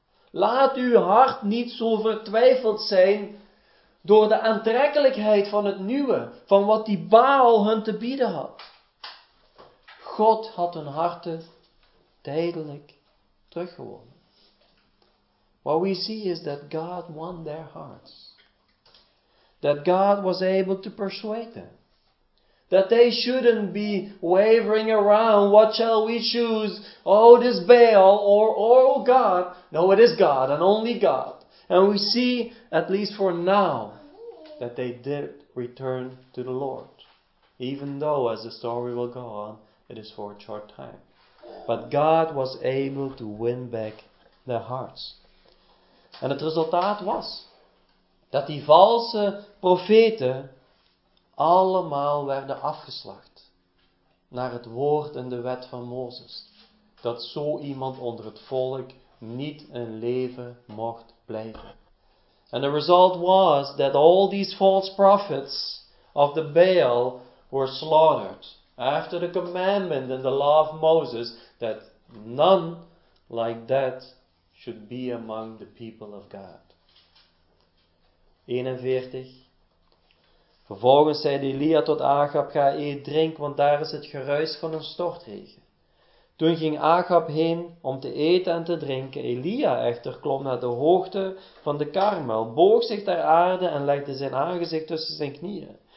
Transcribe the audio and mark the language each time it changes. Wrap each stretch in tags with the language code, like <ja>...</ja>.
<nl>Laat uw hart niet zo vertwijfeld zijn door de aantrekkelijkheid van het nieuwe, van wat die Baal hun te bieden had. God had hun harten tijdelijk teruggewonnen.</nl> <en>What we see is that God won their hearts. That God was able to persuade them. That they shouldn't be wavering around, what shall we choose? Oh, this Baal or oh God. No, it is God and only God. And we see, at least for now, that they did return to the Lord. Even though, as the story will go on, it is for a short time. But God was able to win back their hearts.</en> <nl>En het resultaat was dat die valse profeten allemaal werden afgeslacht naar het woord en de wet van Mozes. Dat zo iemand onder het volk niet in leven mocht blijven.</nl> <en>And the result was that all these false prophets of the Baal were slaughtered. After the commandment and the law of Moses, that none like that should be among the people of God. 41.</en> <nl>Vervolgens zei Elia tot Achab, ga eet drink, want daar is het geruis van een stortregen. Toen ging Achab heen om te eten en te drinken. Elia echter klom naar de hoogte van de Karmel, boog zich ter aarde en legde zijn aangezicht tussen zijn knieën.</nl>